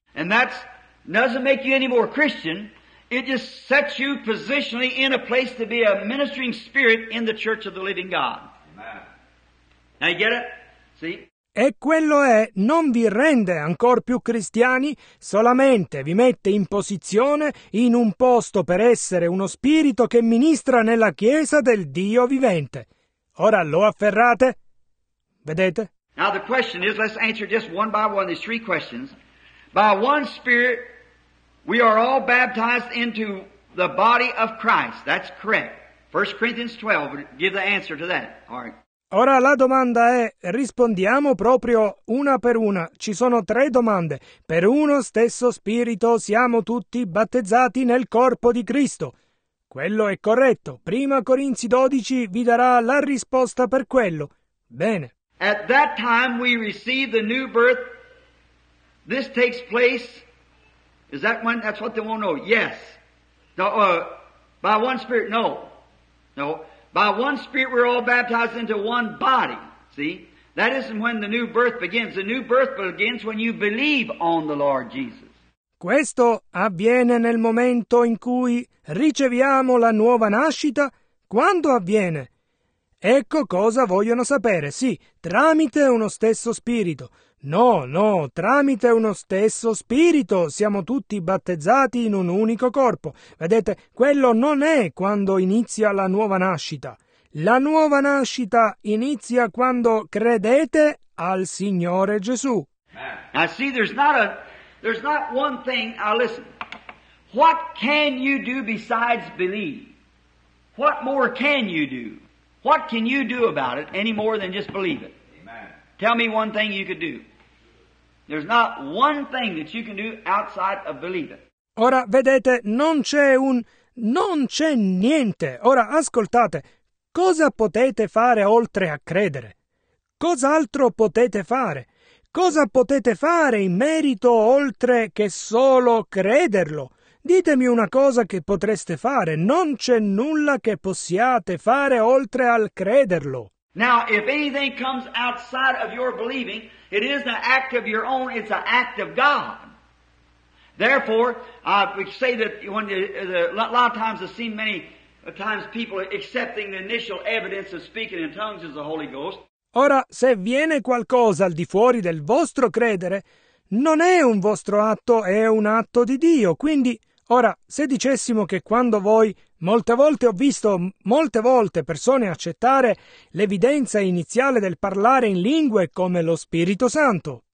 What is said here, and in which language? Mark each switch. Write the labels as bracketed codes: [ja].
[en] And that's doesn't make you any more Christian. It just sets you positionally in a place to be a ministering spirit in the church of the living God. Amen. Now you get it? See? [it] E quello è, non vi rende ancor più cristiani, solamente vi mette in posizione in un posto per essere uno spirito che ministra nella chiesa del Dio vivente. Ora lo afferrate? Vedete? [en] Now the question is, let's answer just one by one these three questions. By one Spirit, we are all baptized into the body of Christ. That's correct. 1 Corinthians 12 would give the answer to that. All right. [it] Ora la domanda è, rispondiamo proprio una per una. Ci sono tre domande. Per uno stesso Spirito siamo tutti battezzati nel corpo di Cristo. Quello è corretto. 1 Corinzi 12 vi darà la risposta per quello. Bene. [en] At that time we receive the new birth. This takes place, is that one, that's what they won't know, yes. By one Spirit, no. No, by one Spirit we're all baptized into one body, see? That isn't when the new birth begins. The new birth begins when you believe on the Lord Jesus. [it] Questo avviene nel momento in cui riceviamo la nuova nascita? Quando avviene? Ecco cosa vogliono sapere, sì, tramite uno stesso Spirito. No, no, tramite uno stesso Spirito siamo tutti battezzati in un unico corpo. Vedete, quello non è quando inizia la nuova nascita. La nuova nascita inizia quando credete al Signore Gesù. [en] Now see, there's not one thing. Now listen, what can you do besides believe? What more can you do? What can you do about it any more than just believe it? Amen. Tell me one thing you could do. There's not one thing that you can do outside of believing. [it] Ora, vedete, non c'è niente. Ora, ascoltate. Cosa potete fare oltre a credere? Cos'altro potete fare? Cosa potete fare in merito oltre che solo crederlo? Ditemi una cosa che potreste fare. Non c'è nulla che possiate fare oltre al crederlo. [en] Now, if anything comes outside of your believing, it is an act of your own, it's an act of God. Therefore, we say that when a lot of times I've seen many times people accepting the initial evidence of speaking in tongues as the Holy Ghost. [it] Ora, se viene qualcosa al di fuori del vostro credere, non è un vostro atto, è un atto di Dio. Quindi, ora, se dicessimo che quando voi, molte volte ho visto molte volte persone accettare l'evidenza iniziale del parlare in lingue come lo Spirito Santo.